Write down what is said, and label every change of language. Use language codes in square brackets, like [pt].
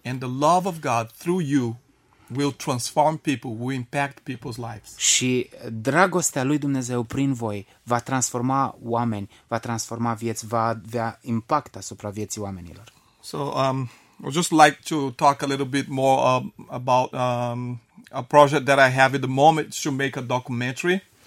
[en] And the love of God through you will transform people, will impact people's lives. [ro] Și dragostea lui Dumnezeu prin voi va transforma oameni, va transforma vieți, va avea impact asupra vieții oamenilor. [en] So, I'd just like to talk a little bit more about a project that I have at the moment to make a documentary.